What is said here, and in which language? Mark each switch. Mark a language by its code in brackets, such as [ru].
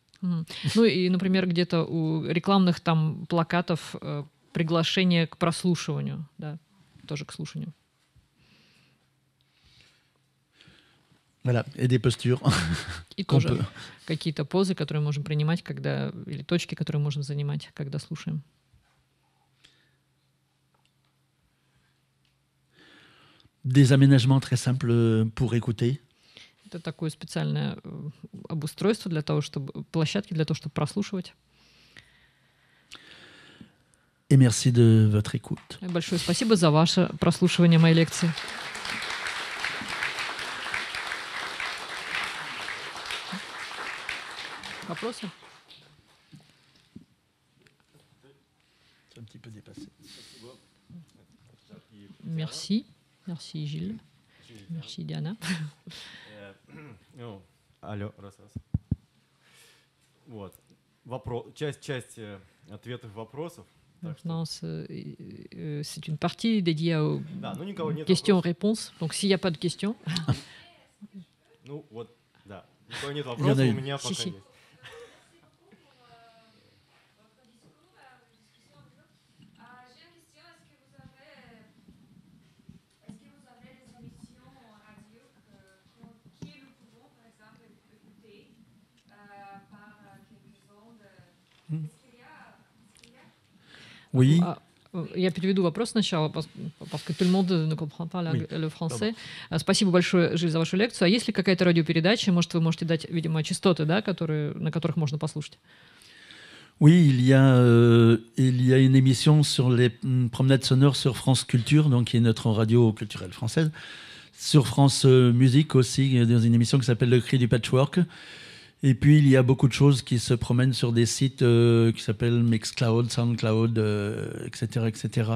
[ru] Ну и, например, где-то у рекламных там плакатов приглашение к прослушиванию, да, тоже к слушанию. [fr] Voilà, et des postures. [ru] И тоже какие-то позы, которые можем принимать, когда, или точки, которые можем занимать, когда слушаем. [fr] Des aménagements très simples pour écouter. [ru] Это такое специальное обустройство для того, чтобы площадки для того, чтобы прослушивать. [fr] Et merci de votre écoute. [ru] Большое спасибо за ваше прослушивание моей лекции. Вопросы? [fr] Un petit peu dépassé. Merci. Merci Gilles. Merci Diana. [ru] Ну, алло, раз. Вот. Вопрос, часть ответов вопросов. [fr] Maintenant, c'est une partie dédiée aux questions-réponses. Donc, s'il n'y a pas de questions. [ru] Ну, вот, да. Никого нет вопросов, у меня пока нет. [fr] Oui. Il y a peut-être deux questions [ru] сначала, [fr] parce que tout le monde ne comprend pas le français. [ru] Спасибо большое, Жиль, за вашу лекцию. А есть ли какая-то радиопередача? Может, вы можете дать, видимо, частоты, да, которые, на которых можно послушать? [fr] Oui, il y a une émission sur les promenades sonores sur France Culture, donc qui est notre radio culturelle française. Sur France Musique aussi, dans une émission qui s'appelle Le Cri du Patchwork. Et puis, il y a beaucoup de choses qui se promènent sur des sites qui s'appellent Mixcloud, Soundcloud, etc., etc.